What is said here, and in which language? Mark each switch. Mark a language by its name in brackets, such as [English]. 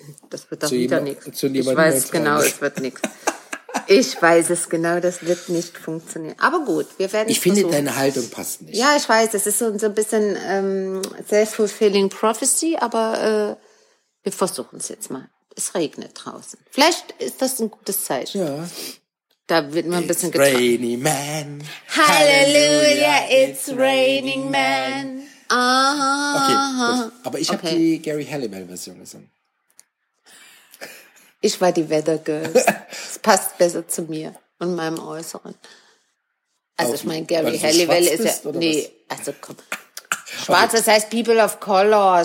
[German] Das wird doch wieder nichts. Ich weiß es genau, es wird nichts. Ich weiß es genau, das wird nicht funktionieren. Aber gut, wir werden ich versuchen. Finde, deine Haltung passt nicht. Ja, ich weiß, es ist so ein bisschen [English] self-fulfilling prophecy, [German] aber wir versuchen es jetzt mal. Es regnet draußen. Vielleicht ist das ein gutes Zeichen. Ja. Da wird man ein bisschen [English] getroffen. It's rainy man. Halleluja, it's raining man. [German] Okay, gut. Aber ich habe die Gary Halliwell Version gesungen. Ich war die Weather Girls. Es passt besser zu mir und meinem Äußeren. Also ich meine, Gary Halliwell ist ja... Nee, also komm. Schwarz, das heißt People of Color.